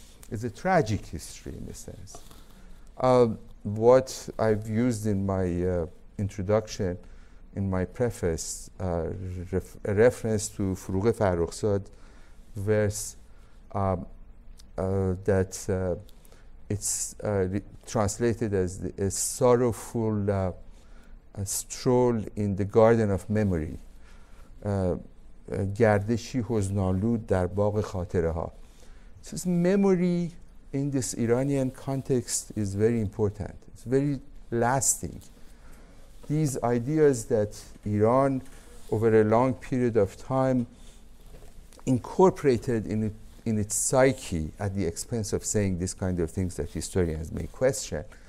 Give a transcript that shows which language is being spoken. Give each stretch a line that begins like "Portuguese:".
English: It's a tragic history, in a sense. What I've used in my introduction, in my preface, a reference to Furugh Farrukhzad verse that it's translated as a sorrowful a stroll in the garden of memory.
Persian: گردشی حزن‌آلود در باغ خاطره ها.
English: This memory in this Iranian context is very important. It's very lasting. These ideas that Iran over a long period of time incorporated in its psyche at the expense of saying this kind of things that historians may question.